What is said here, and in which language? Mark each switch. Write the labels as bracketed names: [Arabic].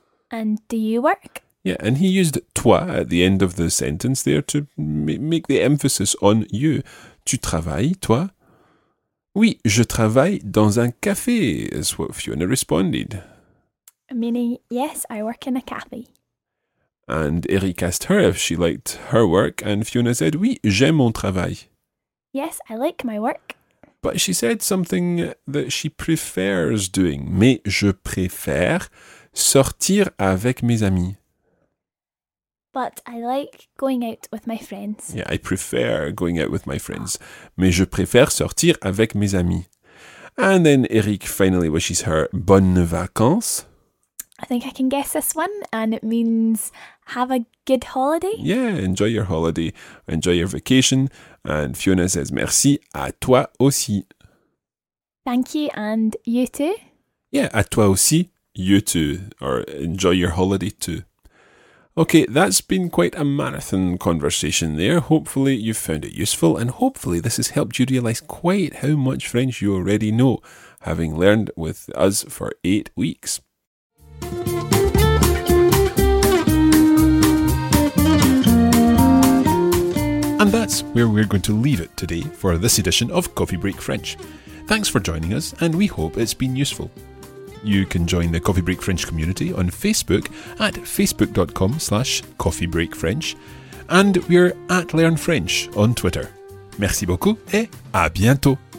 [English] And do you work? Yeah, and he used toi at the end of the sentence there to make the emphasis on you. [French] Tu travailles, toi? Oui, je travaille dans un café, [English] is what Fiona responded. Meaning, yes, I work in a cafe. And Eric asked her if she liked her work, and Fiona said, [French] oui, j'aime mon travail. [English] Yes, I like my work. But she said something that she prefers doing. [French] Mais je préfère sortir avec mes amis. [English] But I like going out with my friends. Yeah, I prefer going out with my friends. [French] Mais je préfère sortir avec mes amis. [English] And then Eric finally wishes her [French] bonnes vacances. [English] I think I can guess this one, and it means have a good holiday. Yeah, enjoy your holiday, enjoy your vacation, and Fiona says [French] merci, à toi aussi. [English] Thank you, and you too? Yeah, [French] à toi aussi, [English] you too, or enjoy your holiday too. Okay, that's been quite a marathon conversation there. Hopefully you found it useful, and hopefully this has helped you realise quite how much French you already know, having learned with us for 8 weeks. And that's where we're going to leave it today for this edition of Coffee Break French. Thanks for joining us, and we hope it's been useful. You can join the Coffee Break French community on Facebook at facebook.com/coffeebreakfrench, and we're at Learn French on Twitter. [French] Merci beaucoup et à bientôt!